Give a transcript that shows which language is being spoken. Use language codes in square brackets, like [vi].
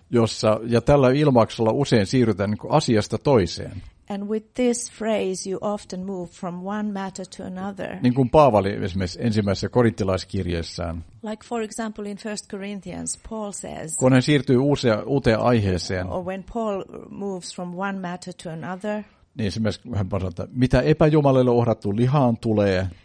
[fi] Jossa, ja tällä ilmauksella usein siirrytään asiasta toiseen. [en] And with this phrase you often move from one matter to another. [fi] Niin kuin Paavali esimerkiksi ensimmäisessä korinttilaiskirjeessään. [en] Like for example in 1 Corinthians Paul says. [fi] Kun hän siirtyy uuteen aiheeseen. [en] Or when Paul moves from one matter to another. [fi] Niin esimerkiksi hän sanoo, että mitä epäjumalille uhrattu lihaan tulee.